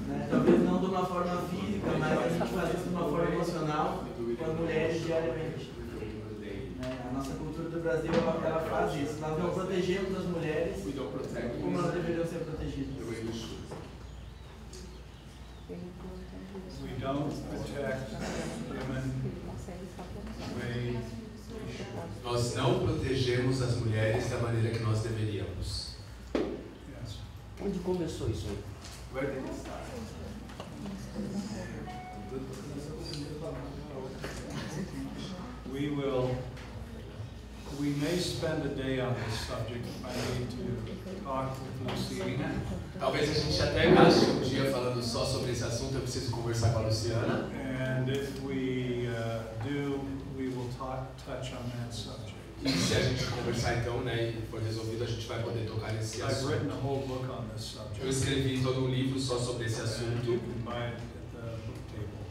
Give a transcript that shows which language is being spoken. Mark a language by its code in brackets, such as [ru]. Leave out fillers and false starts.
[pt] Talvez não de uma forma física, mas a gente faz isso de uma forma emocional com as mulheres diariamente. A nossa cultura do Brasil, ela faz isso. Nós não protegemos as mulheres como elas deveriam ser protegidas. [en] We don't protect women the way we should. [pt] Nós não protegemos as mulheres da maneira que nós deveríamos. [en] Yes. [pt] Onde começou isso? [en] Where did it start? We may spend a day on this subject. I need to talk with Luciana. [pt] Talvez a gente até gaste um dia falando só sobre esse assunto. Eu preciso conversar com a Luciana. [en] And if we do, we will touch on that subject. [pt] E se a gente conversar então, né, e for resolvido, a gente vai poder tocar nesse assunto. [en] I've written a whole book on this subject. [pt] Eu escrevi todo um livro só sobre esse assunto. [en] You can buy it at the book table.